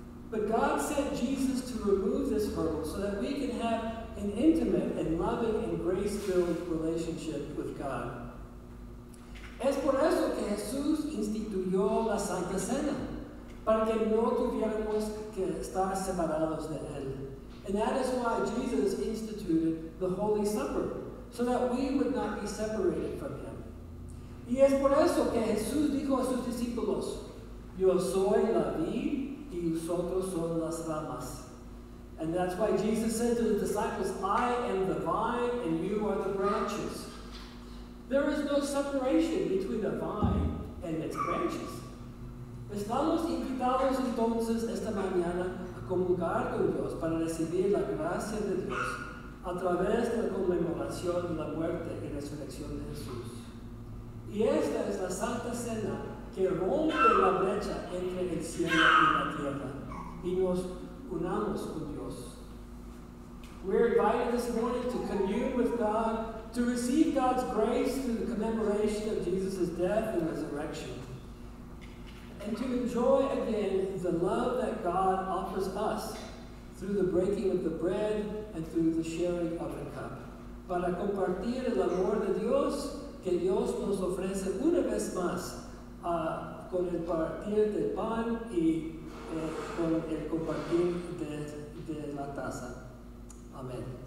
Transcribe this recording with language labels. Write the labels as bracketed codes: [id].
[en] But God sent Jesus to remove this hurdle so that we can have an intimate and loving and grace-filled relationship with God. [es] Es por eso que Jesús instituyó la Santa Cena, para que no tuviéramos que estar separados de Él. [en] And that is why Jesus instituted the Holy Supper, so that we would not be separated from Him. [es] Y es por eso que Jesús dijo a sus discípulos, yo soy la vid, y vosotros son las ramas. [en] And that's why Jesus said to the disciples, I am the vine, and you are the branches. There is no separation between the vine and its branches. [es] Estamos invitados entonces esta mañana a comulgar con Dios para recibir la gracia de Dios a través de la conmemoración de la muerte y resurrección de Jesús. Y esta es la Santa Cena que rompe la brecha entre el cielo y la tierra y nos unamos con Dios. [en] We're invited this morning to commune with God, to receive God's grace through the commemoration of Jesus' death and resurrection, and to enjoy again the love that God offers us through the breaking of the bread and through the sharing of the cup. [es] Para compartir el amor de Dios que Dios nos ofrece una vez más con el partir del pan y con el compartir de la taza. Amén.